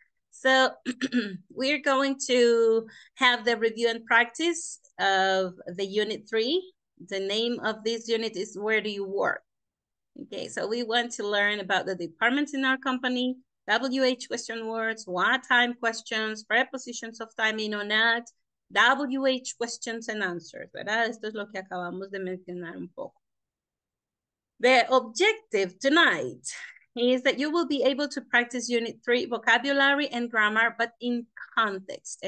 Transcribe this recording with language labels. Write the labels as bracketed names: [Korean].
[English] So we're going to have the review and practice of the unit 3. The name of this unit is Where Do You Work? Okay, so we want to learn about the departments in our company, WH question words, what time questions, prepositions of time in or not. WH questions and answers, [Spanish] ¿verdad? Esto es lo que acabamos de mencionar un poco. [English] The objective tonight is that you will be able to practice Unit 3 vocabulary and grammar, but in context.